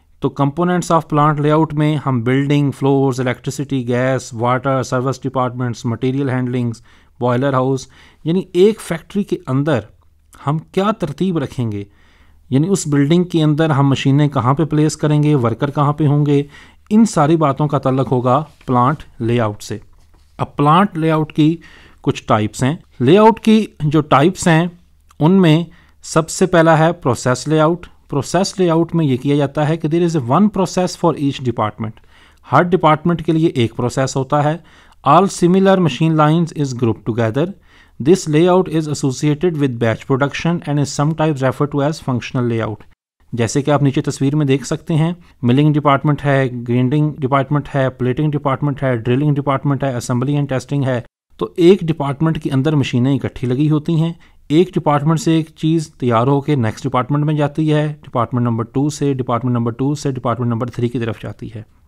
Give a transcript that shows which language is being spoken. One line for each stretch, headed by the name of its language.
Hindi: तो components of plant layout में हम building floors, electricity, gas, water, service departments, material handlings, boiler house, यानी एक फैक्ट्री के अंदर हम क्या तरतीब रखेंगे, यानी उस बिल्डिंग के अंदर हम मशीनें कहाँ पे प्लेस करेंगे, वर्कर कहाँ पे होंगे, इन सारी बातों का तल्लक होगा प्लांट लेआउट से। अब प्लांट लेआउट की कुछ टाइप्स हैं। लेआउट की जो टाइप्स हैं उनमें सबसे पहला है प्रोसेस लेआउट। प्रोसेस लेआउट में ये किया जाता है कि
English: there is one process for each department,
Hindi: हर department के लिए एक प्रोसेस होता है।
English: All similar machine lines is grouped together. This layout is associated with batch production and is sometimes referred to as functional layout.
Hindi: जैसे कि आप नीचे तस्वीर में देख सकते हैं, मिलिंग डिपार्टमेंट है, ग्राइंडिंग डिपार्टमेंट है, प्लेटिंग डिपार्टमेंट है, ड्रिलिंग डिपार्टमेंट है, असेंबली एंड टेस्टिंग है। तो एक डिपार्टमेंट के अंदर मशीनें इकट्ठी लगी होती हैं, एक डिपार्टमेंट से एक चीज़ तैयार होकर नेक्स्ट डिपार्टमेंट में जाती है, डिपार्टमेंट नंबर टू से डिपार्टमेंट नंबर टू से डिपार्टमेंट नंबर थ्री की तरफ जाती है।